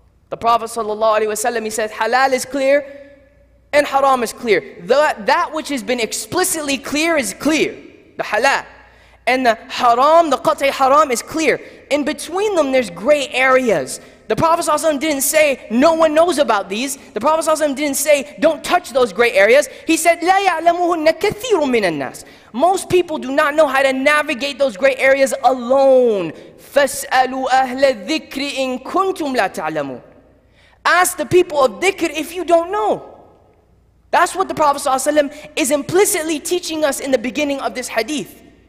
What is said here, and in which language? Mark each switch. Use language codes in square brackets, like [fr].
[en] The Prophet sallallahu alaihi wasallam, he said, halal is clear and haram is clear. That which has been explicitly clear is clear, the halal. And the haram, the qat'i haram is clear. In between them, there's gray areas. The Prophet sallallahu alaihi wasallam didn't say, no one knows about these. The Prophet sallallahu alaihi wasallam didn't say, don't touch those gray areas. He said, [ar] لَا يَعْلَمُهُنَّ كَثِيرٌ مِّنَ النَّاسِ. [en] Most people do not know how to navigate those gray areas alone. [ar] فَاسْأَلُوا أَهْلَ الذِّكْرِ إِن كُنْتُمْ لَا تَعْلَمُونَ. [en] Ask the people of dhikr if you don't know. That's what the Prophet ﷺ is implicitly teaching us in the beginning of this hadith.